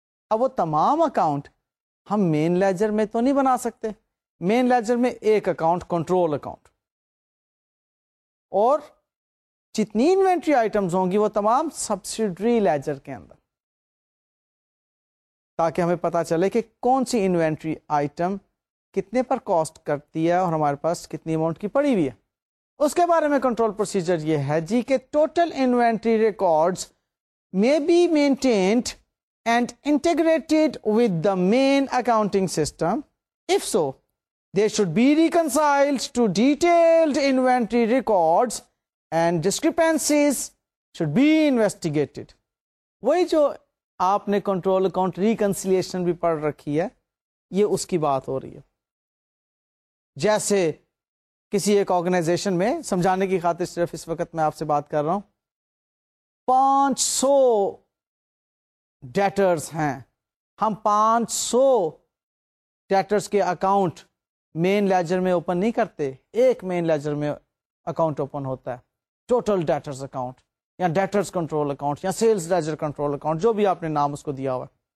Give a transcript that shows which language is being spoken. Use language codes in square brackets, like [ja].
[ur] اب وہ تمام اکاؤنٹ ہم مین لیجر میں تو نہیں بنا سکتے, مین لیجر میں ایک اکاؤنٹ کنٹرول اکاؤنٹ, اور جتنی انوینٹری آئٹمز ہوں گی وہ تمام سبسیڈری لیجر کے اندر, تاکہ ہمیں پتا چلے کہ کون سی انوینٹری آئٹم کتنے پر کاسٹ کرتی ہے اور ہمارے پاس کتنی اماؤنٹ کی پڑی ہوئی ہے. اس کے بارے میں کنٹرول پروسیجر یہ ہے جی کہ [en] Total inventory records may be maintained and integrated with the main accounting system. If so, they should be reconciled to detailed inventory records and discrepancies should be investigated. [ur] وہی جو آپ نے کنٹرول اکاؤنٹ ریکنسیلیشن بھی پڑھ رکھی ہے, یہ اس کی بات ہو رہی ہے. جیسے کسی ایک آرگنائزیشن میں, سمجھانے کی خاطر صرف اس وقت میں آپ سے بات کر رہا ہوں, 500 ڈیٹرز ہیں, ہم 500 ڈیٹرز کے اکاؤنٹ مین لیجر میں اوپن نہیں کرتے, ایک مین لیجر میں اکاؤنٹ اوپن ہوتا ہے, ٹوٹل ڈیٹرز اکاؤنٹ یا ڈیٹرز کنٹرول اکاؤنٹ یا سیلز لیجر کنٹرول اکاؤنٹ, جو بھی آپ نے نام اس کو دیا ہوا.